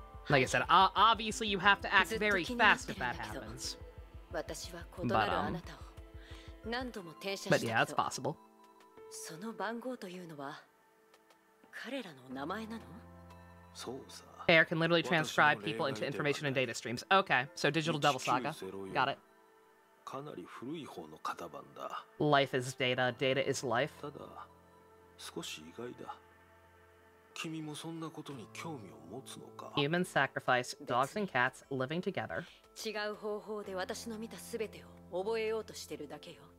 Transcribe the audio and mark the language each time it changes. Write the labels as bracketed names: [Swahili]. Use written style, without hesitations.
[English] Like I said, obviously you have to act very fast if that happens. But yeah, it's possible. [Japanese] その番号というのは彼らの名前なの？そうさ。 [English] Air can literally transcribe people into information and data streams. Okay, so digital double saga. Got it. [Japanese] かなり古い方の型番だ。 [English] Life is data. Data is life. [Japanese] ただ、少し意外だ。君もそんなことに興味を持つのか [English] ？Human sacrifice. Dogs and cats living together. [Japanese] 違う方法で私の見たすべてを覚えようとしてるだけよ。